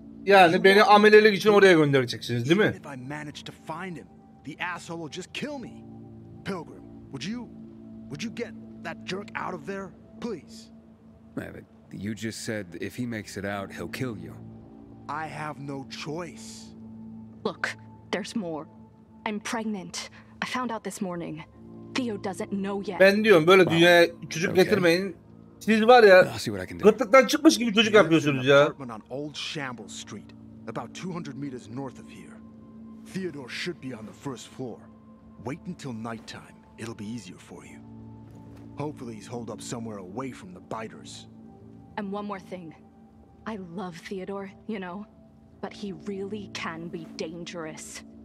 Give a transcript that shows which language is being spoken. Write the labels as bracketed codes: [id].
[tr] Yani beni ameliyat için oraya göndereceksiniz, değil mi? [en] If I manage to find him, the asshole will just kill me. Pilgrim, would you get that jerk out of there, please? Mavic, you just said if he makes it out, he'll kill you. I have no choice. Look, there's more. I'm pregnant. I found out this morning. Theo doesn't know yet. [tr] Ben diyorum böyle dünyaya çocuk getirmeyin. Siz var ya, kıtlıktan çıkmış gibi çocuk yapıyorsunuz ya. [en] On Old Shambles Street, about 200 meters north of here. Theodore should be on the first floor. Wait until nighttime. It'll be easier for you. Hopefully he's holed up somewhere away from the biters. And one more thing. I love Theodore, you know, but he really can be dangerous.